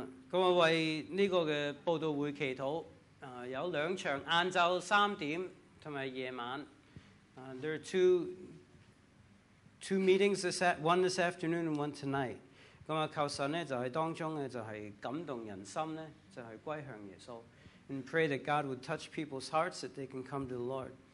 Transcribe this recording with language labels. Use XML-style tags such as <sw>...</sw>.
<zh>我为这个报道会祈祷, 有两场, 下午3点, 和夜晚,</zh> <en>there are two meetings, one this afternoon and one tonight.</en> <zh>求神就是当中的就是感动人心就是归向耶稣,</zh> <en>and pray that God would touch people's hearts that they can come to the Lord.</en>